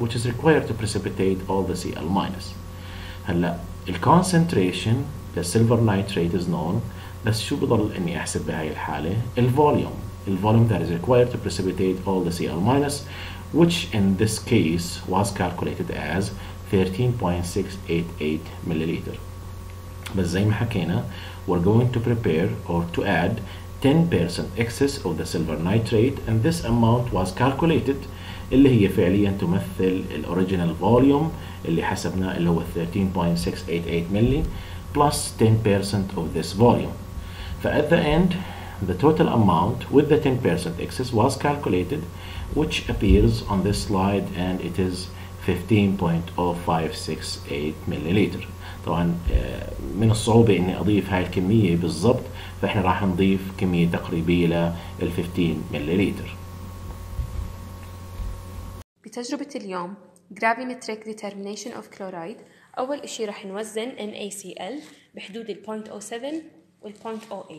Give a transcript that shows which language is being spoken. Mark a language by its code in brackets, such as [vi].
[en] Which is required to precipitate all the Cl minus. هلأ the concentration the silver nitrate is known. [ar] بس شو بضل إني أحسب بهاي الحالة؟ [en] The volume. The volume that is required to precipitate all the Cl minus, which in this case was calculated as 13.688 milliliter. [ar] بس زي ما حكينا, [en] we're going to prepare or to add 10% excess of the silver nitrate and this amount was calculated [ar] اللي هي فعليا تمثل ال [en] original volume [ar] اللي حسبنا اللي هو 13.688 ملي [en] plus 10% of this volume. ف at the end the total amount with the 10% excess was calculated which appears on this slide and it is 15.0568 milliliter. [ar] طبعا من الصعوبة اني اضيف هاي الكمية بالضبط, فإحنا راح نضيف كمية تقريبية لـ 15 ملليلتر. بتجربة اليوم Gravimetric Determination of Chloride, أول إشي راح نوزن NaCl بحدود الـ 0.07 والـ 0.08.